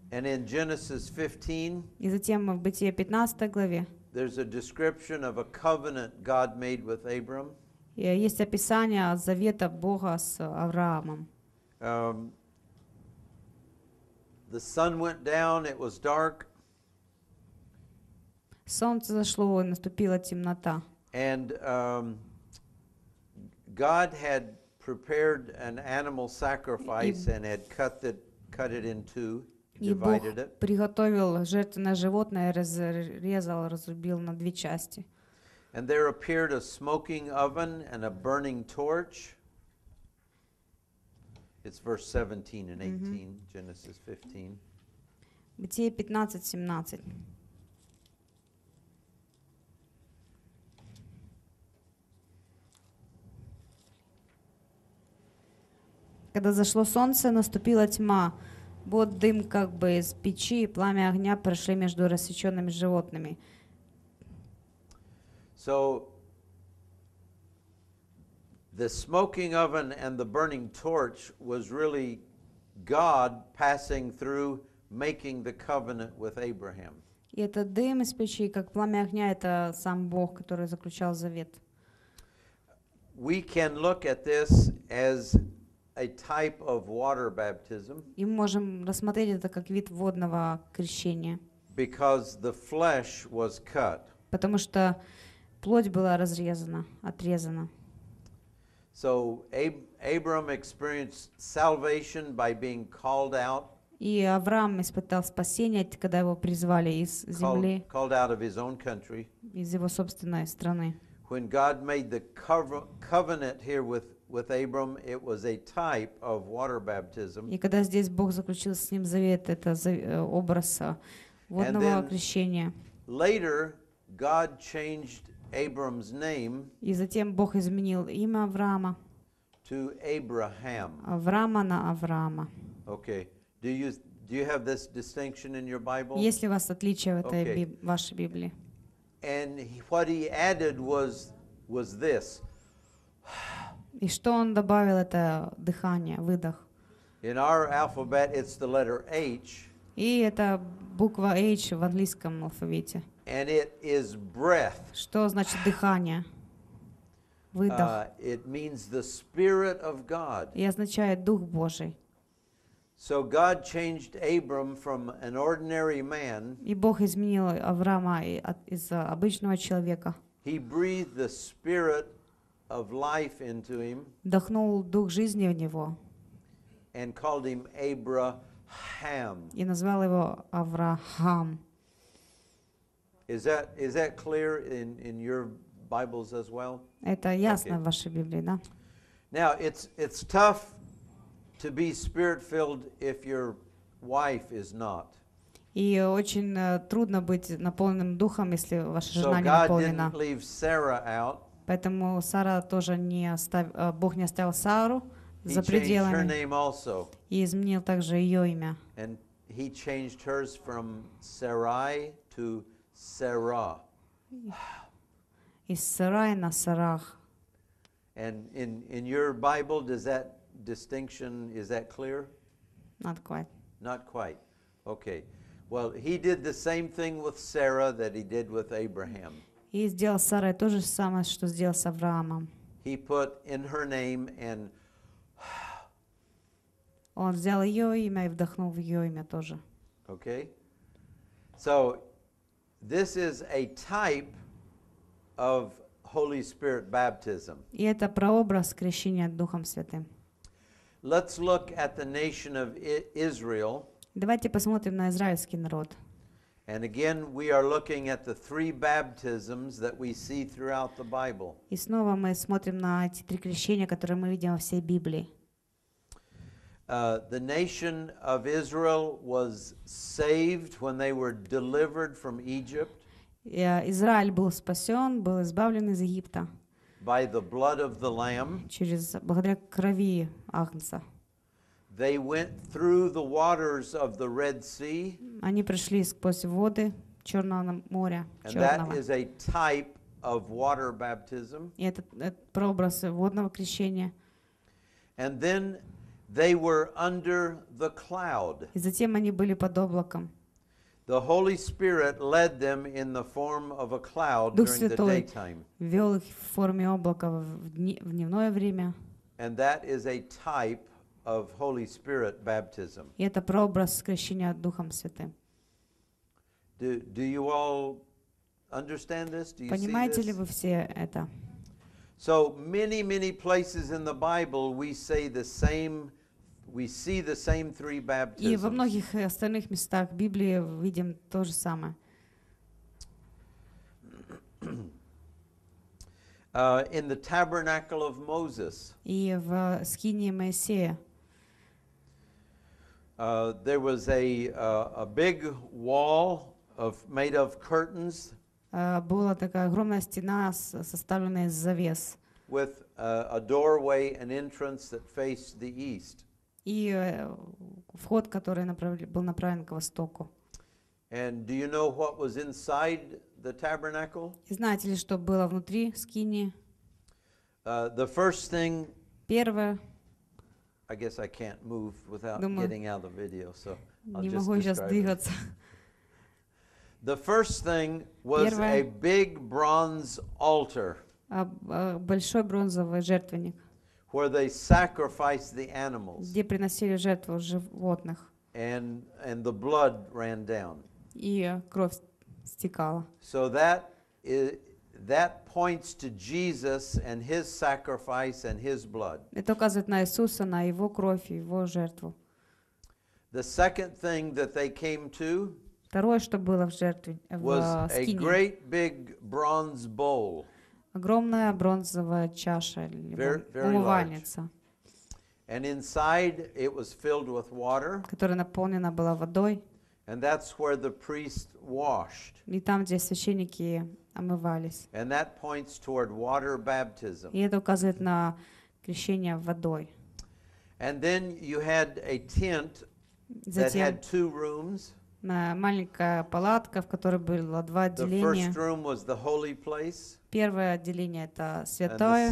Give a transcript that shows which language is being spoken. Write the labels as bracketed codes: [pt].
[en] And in Genesis 15. [ru] И затем в Бытие 15 главе. [en] There's a description of a covenant God made with Abram. [ru] Есть описание завета Бога с Авраамом. [en] The sun went down, it was dark. [ru] Солнце зашло, и наступила темнота. [en] And God had prepared an animal sacrifice and had cut it in two, divided it. [ru] И Бог приготовил жертвенное животное, разрезал, разрубил на две части. [en] And there appeared a smoking oven and a burning torch. It's verse 17 and 18, mm-hmm. Genesis 15. [ru] Бытие 15, 17. Когда зашло солнце, наступила тьма. Вот дым как бы из печи, и пламя огня прошли между рассеченными животными. [en] So, the smoking oven and the burning torch was really God passing through, making the covenant with Abraham. [ru] И это дым из печи, как пламя огня, это сам Бог, который заключал завет. [en] We can look at this as a type of water baptism. [ru] И можем рассмотреть это как вид водного крещения. [en] Because the flesh was cut. [ru] Потому что плоть была разрезана, отрезана. [en] So Abram experienced salvation by being called out. [ru] И Авраам испытал спасение, когда его призвали из земли. [en] Called out of his own country. [ru] Из его собственной страны. [en] When God made the covenant here with Abram, it was a type of water baptism. [ru] И когда здесь Бог заключил с ним завет, это образ водного крещения. [en] Later, God changed Abram's name. [ru] И затем Бог изменил имя Авраама. [en] To Abraham. [ru] Авраама на Авраама. [en] Okay. Do you have this distinction in your Bible? [ru] Есть ли у вас отличие в этой вашей Библии? [en] And what he added was this. [ru] И что он добавил, это дыхание, выдох. [en] In our alphabet, it's the letter H. [ru] И это буква H в английском алфавите. [en] And it is breath. [ru] Что значит дыхание? Выдох. [en] It means the Spirit of God. [ru] И означает Дух Божий. [en] So God changed Abram from an ordinary man. [ru] И Бог изменил Авраама из обычного человека. [en] He breathed the Spirit of life into him. [ru] Вдохнул дух жизни в него. [en] And called him Abraham. [ru] И назвал его Авраам. [en] Is that clear in your Bibles as well? [ru] Это ясно в вашей Библии, да? [en] Now it's tough to be spirit-filled if your wife is not. [ru] И очень трудно быть наполненным духом, если ваша жена не наполнена. [en] So God didn't leave Sarah out. [ru] Поэтому Сара тоже не оставил, Бог не оставил Сару за пределами. [en] He changed her name also. [ru] И изменил также ее имя. [en] And he changed hers from Sarai to Sarah. [ru] Из Сарай на Сарах. [en] And in your Bible, does that distinction, is that clear? Not quite. Not quite. Okay. Well, he did the same thing with Sarah that he did with Abraham. [ru] И сделал Сара то же самое, что сделал с Авраамом. [en] He put in her name and [ru] он взял ее имя и вдохнул в ее имя тоже. [en] Okay. So this is a type of Holy Spirit baptism. [ru] И это прообраз крещения Духом Святым. [en] Let's look at the nation of Israel. [ru] Давайте посмотрим на израильский народ. [en] And again, we are looking at the three baptisms that we see throughout the Bible. [ru] И снова мы смотрим на эти три крещения, которые мы видим во всей Библии. [en] The nation of Israel was saved when they were delivered from Egypt. [ru] Израиль был спасен, был избавлен из Египта. [en] By the blood of the Lamb. [ru] Через благодаря крови Агнца. [en] They went through the waters of the Red Sea. [ru] Они прошли сквозь воды Черного моря. [en] And that is a type of water baptism. [ru] И это прообраз водного крещения. [en] And then they were under the cloud. [ru] И затем они были под облаком. [en] The Holy Spirit led them in the form of a cloud [ru] Дух [en] during the daytime. [ru] Вёл их в форме облака в дневное время. [en] And that is a type of Holy Spirit baptism. [ru] И это прообраз крещения Духом Святым. [en] Do you all understand this? Do you [ru] Понимаете [en] see this? [ru] Ли вы все это? [en] So many, many places in the Bible we say the same. We see the same three baptisms. [ru] И во многих остальных местах Библии видим то же самое. [en] In the tabernacle of Moses. [ru] И в скинии Моисея. [en] There was a big wall made of curtains. [ru] Была такая огромная стена, составленная из завес. [en] With a doorway, an entrance that faced the east. [ru] И вход, который был направлен к востоку. [en] And do you know what was inside the tabernacle? [ru] И знаете ли, что было внутри скинии? [en] The first thing. [ru] Первое. [en] I guess I can't move without getting out of video, so I'll [ru] не могу сейчас двигаться. [en] The first thing was [ru] первое. [en] A big bronze altar. [ru] Большой бронзовый жертвенник. [en] Where they sacrificed the animals. [ru] Где приносили жертву животных. [en] And the blood ran down. [ru] И кровь стекала. [en] So that is That points to Jesus and his sacrifice and his blood. [ru] Это указывает на Иисуса, на его кровь и его жертву. [en] The second thing that they came to [ru] Второе, что было в жертве, [en] was [ru] в, [en] a great big bronze bowl. [ru] Огромная бронзовая чаша, умывальница. [en] And inside it was filled with water. [ru] Которая наполнена была водой. [en] And that's where the priest washed. [ru] И там, где священники омывались. [en] And that points toward water baptism. [ru] И это указывает на крещение водой. [en] And then you had a tent that had two rooms. [ru] Маленькая палатка, в которой было два отделения. [en] The first room was the holy place. [ru] Первое отделение это святое.